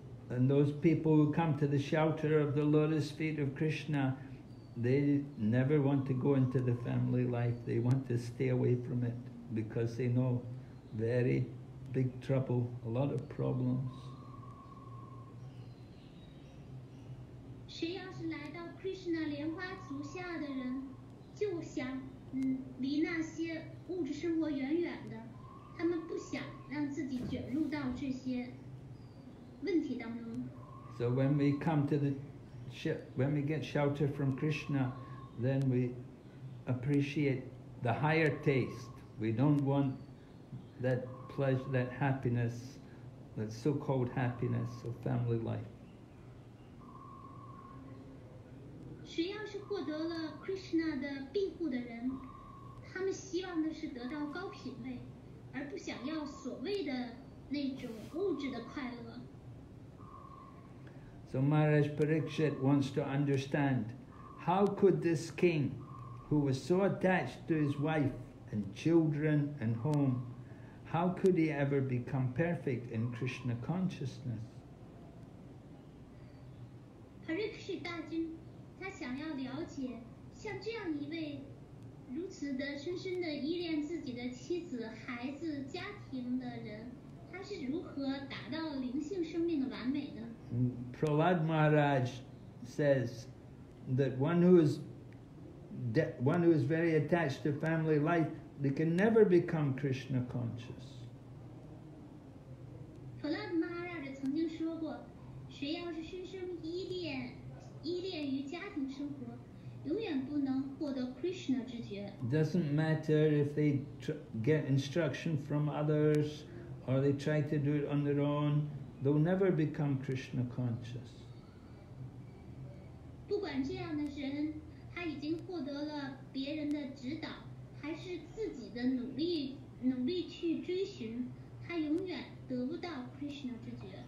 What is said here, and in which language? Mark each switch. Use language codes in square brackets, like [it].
[en] And those people who come to the shelter of the lotus feet of Krishna, they never want to go into the family life. They want to stay away from it because they know very big trouble, a lot of problems. [zh] 谁要是来到 Krishna 莲花足下的人，就想离那些物质生活远远的，他们不想让自己卷入到这些问题当中。 [en] So when we come to the ship, when we get shelter from Krishna, then we appreciate the higher taste. We don't want that pleasure, that happiness, that so-called happiness of family life. [zh] 谁要是获得了 Krishna 的庇护的人，他们希望的是得到高品位，而不想要所谓的那种物质的快乐。 [en] So Maharaj Parikshit wants to understand, how could this king, who was so attached to his wife and children and home, how could he ever become perfect in Krishna consciousness? [zh] Parikshit 大君，他想要了解，像这样一位如此的深深的依恋自己的妻子、孩子、家庭的人，他是如何达到灵性生命的完美呢？ [en] Prahlad Maharaj says that one who is very attached to family life, they can never become Krishna conscious. [zh] Prahlad Maharaj 曾经说过，谁要是深深依恋于家庭生活，永远不能获得 Krishna 之觉。 [en] Doesn't matter if they get instruction from others or they try to do it on their own. They'll never become Krishna conscious. [zh] 不管这样的人，他已经获得了别人的指导，还是自己的努力去追寻，他永远得不到 Krishna 之觉。